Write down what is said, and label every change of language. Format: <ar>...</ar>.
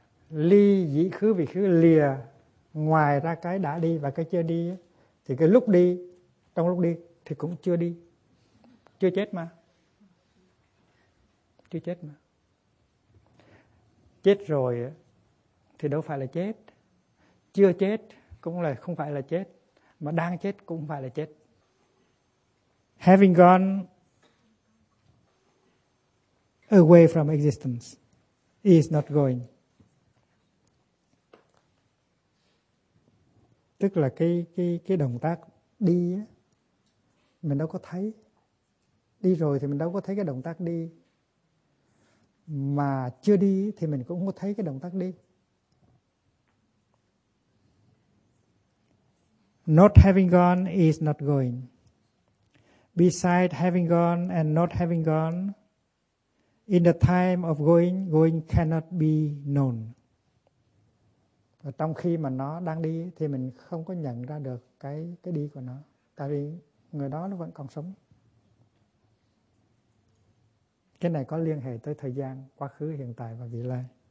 <vi>Ly dĩ khứ vị khứ, lìa ngoài ra cái đã đi và cái chưa đi, thì cái lúc đi, trong lúc đi thì cũng chưa đi. Chưa chết mà. Chưa chết mà. Chết rồi thì đâu phải là chết. Chưa chết cũng là không phải là chết, mà đang chết cũng không phải là chết.</vi> <en>Having gone away from existence is not going.</en> <vi>Tức là cái động tác đi á, mình đâu có thấy. Đi rồi thì mình đâu có thấy cái động tác đi. Mà chưa đi thì mình cũng không có thấy cái động tác đi.</vi> <en>Not having gone is not going. Besides having gone and not having gone, In the time of going, going cannot be known.</en> <vi>Và trong khi mà nó đang đi thì mình không có nhận ra được cái đi của nó. Tại vì người đó nó vẫn còn sống. Cái này có liên hệ tới thời gian, quá khứ, hiện tại và vị lai.</vi>